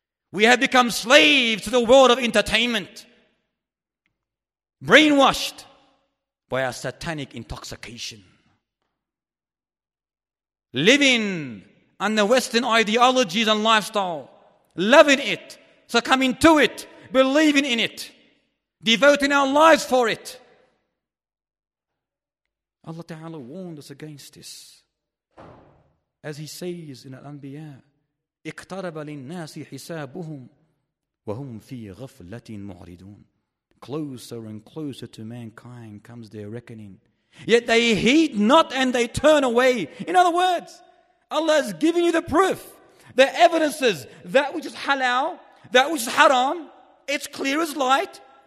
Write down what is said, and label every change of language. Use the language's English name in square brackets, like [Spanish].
[English] We have become slaves to the world of entertainment, brainwashed by our satanic intoxication, living and the Western ideologies and lifestyle, loving it, succumbing to it, believing in it, devoting our lives for it. Allah Ta'ala warned us against this. As He says in Al-Anbiya, [Arabic] اِقْتَرَبَ لِلنَّاسِ حِسَابُهُمْ وَهُمْ فِي غَفْلَةٍ مُعْرِدُونَ. [English] Closer and closer to mankind comes their reckoning. Yet they heed not and they turn away. In other words, Allah has given you the proof, the evidences, that which is halal, that which is haram, it's clear as light.